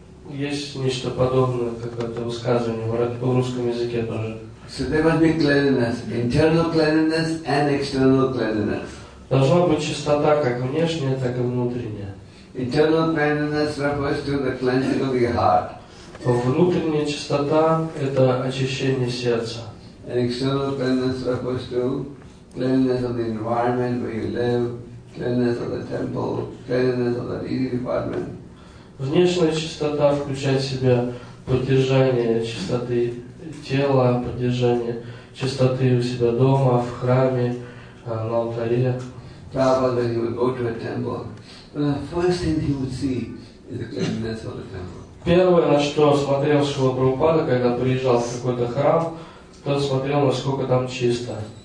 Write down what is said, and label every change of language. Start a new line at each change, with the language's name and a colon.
Russian: Есть нечто подобное, как это высказывание в русском языке тоже.
English: So there must be cleanliness, internal cleanliness and external cleanliness.
Russian: Должна быть чистота как внешняя, так и внутренняя.
English: Internal cleanliness refers to the cleansing of your heart.
Russian: Внутренняя чистота – это очищение сердца.
English: And external cleanliness refers to cleanliness of the environment where you live, cleanliness of the temple, cleanliness of the eating department.
Russian: Внешняя чистота включает в себя поддержание чистоты тела, поддержание чистоты у себя дома, в храме, на алтаре.
English: Prabhupada, when he would go to a temple, well, the first thing he would see is the cleanliness of the temple.
Russian: Первое, на что смотрел Шрила Прабхупада, когда приезжал в какой-то храм, тот смотрел, насколько там чисто.